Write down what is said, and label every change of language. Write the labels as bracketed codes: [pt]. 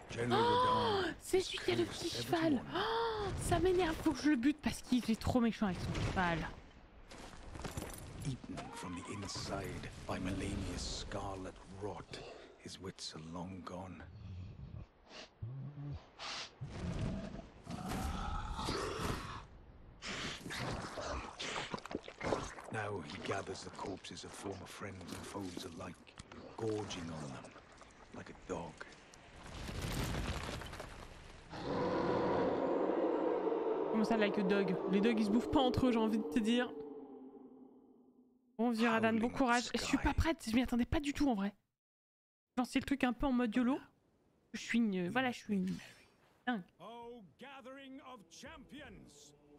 [fr] Oh, c'est celui qui a le petit cheval. Oh, ça m'énerve, faut que je le bute parce qu'il est trop méchant avec son cheval. [en] Eaten from the inside by Melania's scarlet rot, his wits are long gone. Now he gathers the corpses of former friends and foes alike, gorging on them like a dog. [fr] Comment ça, [en] like a dog? [fr] Les dogs ils se bouffent pas entre eux, j'ai envie de te dire. Bon, Viradan, bon courage. Je suis pas prête, je m'y attendais pas du tout en vrai. J'ai lancé le truc un peu en mode YOLO. Je suis une. Voilà, je suis une. Dingue. [en] Oh, gathering of champions!